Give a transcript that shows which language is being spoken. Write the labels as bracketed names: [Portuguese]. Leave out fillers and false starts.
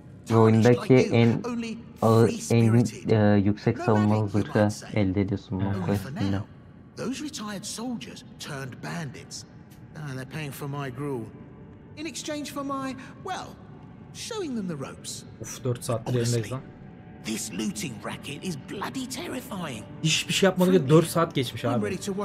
[Turkish] Bu oyundaki en ağır, en yüksek savunmalı zırhı elde ediyorsun bu quest'inle. [English] Those retired soldiers turned bandits. And they're paying for my gruel. In exchange for my, well, showing them the ropes. [Turkish] Uf, 4 saattir elindeyiz lan. [English] This looting racket is bloody terrifying. [Turkish] İş bir şey yapmadık ya 4 saat geçmiş abi.